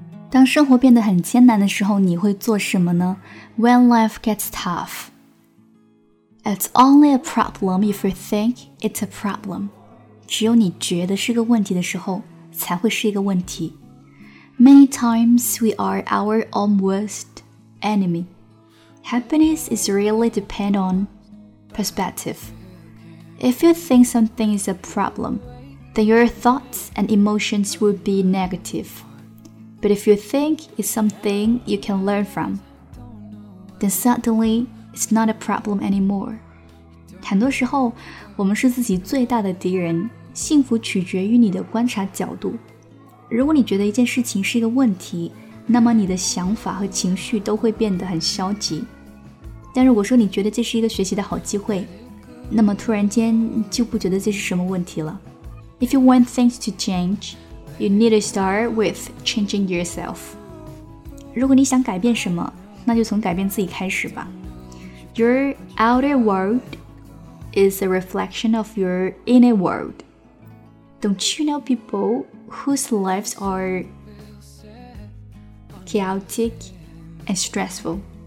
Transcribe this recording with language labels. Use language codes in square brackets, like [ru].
[zh] 当生活变得很艰难的时候，你会做什么呢？ [en] When life gets tough, it's only a problem if you think it's a problem. [zh] 只有你觉得是个问题的时候，才会是一个问题。 [en] Many times we are our own worst enemy. Happiness is really depend on perspective. If you think something is a problem, then your thoughts and emotions will be negative. But if you think it's something you can learn from, then suddenly it's not a problem anymore. [zh] 很多时候，我们是自己最大的敌人，幸福取决于你的观察角度。如果你觉得一件事情是一个问题，那么你的想法和情绪都会变得很消极。但如果说你觉得这是一个学习的好机会，那么突然间就不觉得这是什么问题了。 [en] If you want things to change, you need to start with changing yourself. [zh] 如果你想改变什么，那就从改变自己开始吧。 [en] Your outer world is a reflection of your inner world. Don't you know people? Whose lives are chaotic and stressful.